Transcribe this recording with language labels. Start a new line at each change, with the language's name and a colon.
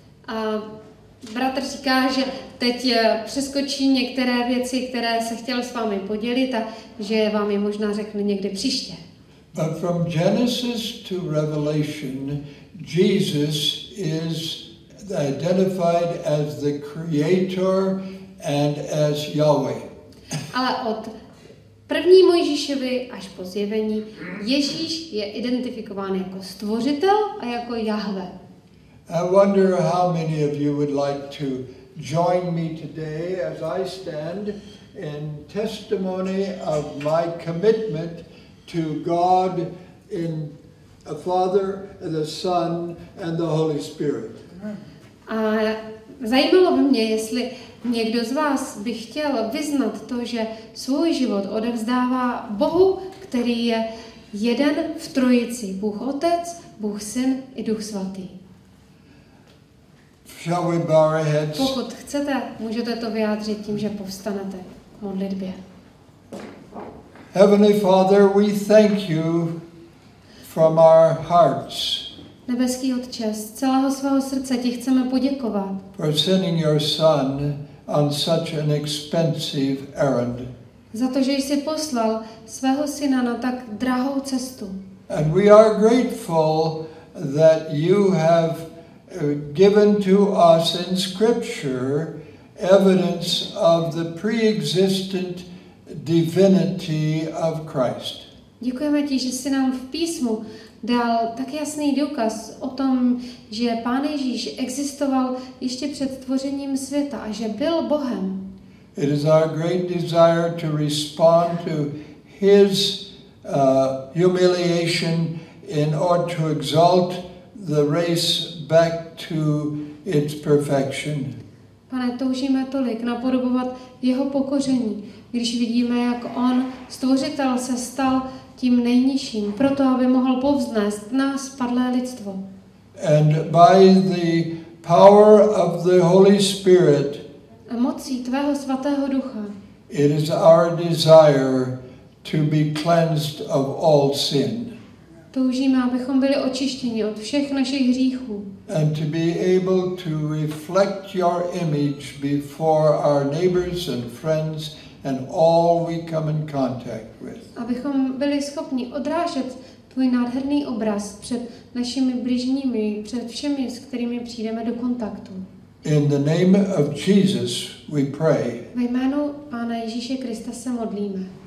Czech: A bratr říká, že teď přeskočí některé věci, které se chtěl s vámi podělit a že vám je možná řekne někdy příště.
English: But from Genesis to Revelation, Jesus is identified as the Creator and as Yahweh.
Czech: Ale od první Mojžíšovy až po zjevení, Ježíš je identifikován jako stvořitel a jako Jahve.
English: I wonder how many of you would like to join me today as I stand in testimony of my commitment to God in the Father, the Son, and the Holy Spirit.
Czech: A zajímalo by mě, jestli někdo z vás by chtěl vyznat to, že svůj život odevzdává Bohu, který je jeden v Trojici, Bůh Otec, Bůh Syn i Duch Svatý.
English: Shall we bow our heads?
Czech: Pokud chcete, můžete to vyjádřit tím, že povstanete k modlitbě.
English: Heavenly Father, we thank you from our hearts.
Czech: Nebeský Otče, z celého svého srdce ti chceme poděkovat.
English: For sending your Son on such an expensive errand.
Czech: Za to, že jsi poslal svého Syna na tak drahou cestu.
English: And we are grateful that you have given to us in Scripture evidence of the pre-existent divinity of Christ.
Czech: Děkujeme ti, že jsi nám v písmu dal tak jasný důkaz o tom, že Pán Ježíš existoval ještě před tvořením světa a že byl Bohem.
English: It is our great desire to respond to his humiliation in order to exalt the race back to its perfection.
Czech: Pane, toužíme tolik napodobovat jeho pokoření, když vidíme, jak on, stvořitel, se stal tím nejnižším, proto aby mohl povznést nás, padlé lidstvo.
English: And by the power of the Holy Spirit,
Czech: a mocí tvého svatého ducha,
English: it is our desire to be cleansed of all sin.
Czech: Toužíme, abychom byli očištěni od všech našich hříchů.
English: And to be able to reflect your image before our neighbors and friends and all we come in contact with.
Czech: Abychom byli schopni odrážet tvůj nádherný obraz před našimi blížními, před všemi, s kterými přijdeme do kontaktu.
English: In the name of Jesus we pray.
Czech: Ve jménu Pána Ježíše Krista se modlíme.